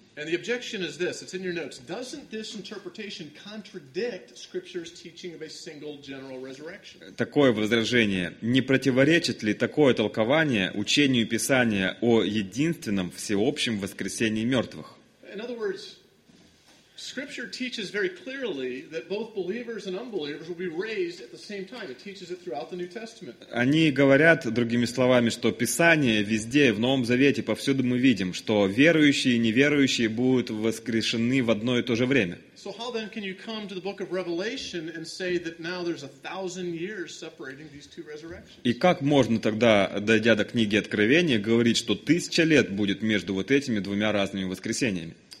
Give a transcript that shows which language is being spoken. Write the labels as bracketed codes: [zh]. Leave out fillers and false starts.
[en] And the objection is this, it's in your notes. Doesn't this interpretation contradict Scripture's teaching of a single general resurrection? [ru] Такое возражение. Не противоречит ли такое толкование учению Писания о единственном всеобщем воскресении мертвых? [en] In other words, Scripture teaches very clearly that both believers and unbelievers will be raised at the same time. It teaches it throughout the New Testament. [ru] Они говорят, другими словами, что Писание везде, в Новом Завете, повсюду мы видим, что верующие и неверующие будут воскрешены в одно и то же время. [en] So how then can you come to the book of Revelation and say that now there's 1,000 years separating these two resurrections? [ru] И как можно тогда, дойдя до книги Откровения, говорить, что 1000 лет будет между вот этими двумя разными воскресениями?